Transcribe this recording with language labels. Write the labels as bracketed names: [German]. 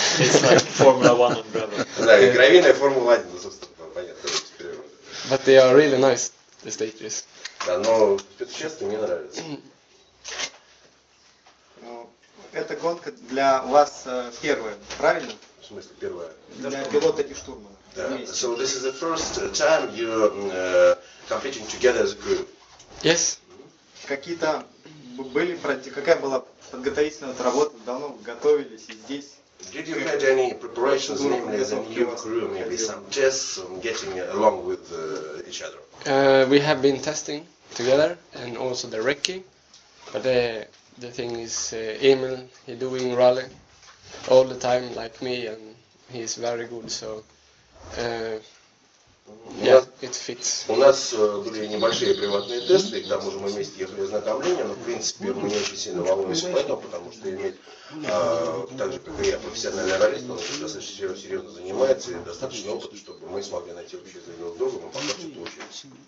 [English] It's like Formula One umbrella. [Russian] Да, и гравийная Формула 1, собственно, понятно. [English] But they are really nice, the stages. [Russian] Да, но, честно, мне нравится. Ну, эта гонка для вас первая, правильно? В смысле первая? Для пилота и штурмана. Да. [English] So this is the first time you competing together as a group. Yes. [Russian] Какие-то были какая была подготовительная работа? Давно готовились и здесь? [English] Did you have any preparations, namely as a new crew, maybe some tests on getting along with each other? We have been testing together and also the recce, but the thing is Emil, he's doing rally all the time like me, and he's very good, so yeah, it fits. [Russian] У нас были небольшие приватные тесты, к тому же мы вместе ехали ознакомление, но в принципе мы не очень сильно волнуемся по этому, потому что имеет так же, как и я, профессиональный ролист, он уже достаточно серьезно занимается и достаточно опыта, чтобы мы смогли найти общий язык друг с другом, а пока что получилось.